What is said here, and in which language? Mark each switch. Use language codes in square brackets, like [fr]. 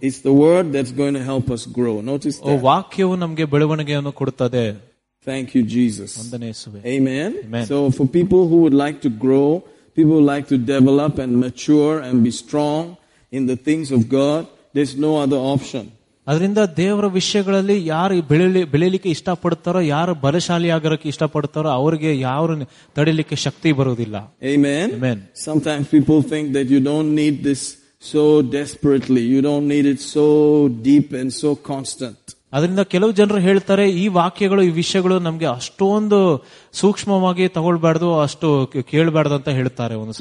[en] It's the word that's going to help us grow. Notice that. [kn] ವಾಕ್ಯವು ನಮಗೆ ಬೆಳವಣಿಗೆಯನ್ನು ಕೊಡುತ್ತದೆ. [en] Thank you, Jesus. [kn] ವಂದನೆ ಯೇಸುವೆ. [en] Amen. So for people who would like to grow, people like to develop and mature and be strong in the things of God, there's no other option. [kn] ಅದರಿಂದ ದೇವರ ವಿಷಯಗಳಲ್ಲಿ ಯಾರು ಬೆಳೆಯಲಿಕ್ಕೆ ಇಷ್ಟಪಡುತ್ತಾರೋ, ಯಾರು ಬಲಶಾಲಿಯಾಗಿರೋಕೆ ಇಷ್ಟಪಡುತ್ತಾರೋ, ಅವರಿಗೆ ಯಾರು ತಡೆಯಲಿಕ್ಕೆ ಶಕ್ತಿ ಬರುವುದಿಲ್ಲ. [en] Amen. Amen. Sometimes people think that you don't need this so desperately, you don't need it so deep and so constant. [kn] ಅದರಿಂದ ಕೆಲವು ಜನರು ಹೇಳ್ತಾರೆ ಈ ವಾಕ್ಯಗಳು ಈ ವಿಷಯಗಳು ನಮಗೆ ಅಷ್ಟೊಂದು ಸೂಕ್ಷ್ಮವಾಗಿ ತಗೊಳ್ಬಾರ್ದು ಅಷ್ಟು ಕೇಳಬಾರ್ದು ಅಂತ ಹೇಳ್ತಾರೆ.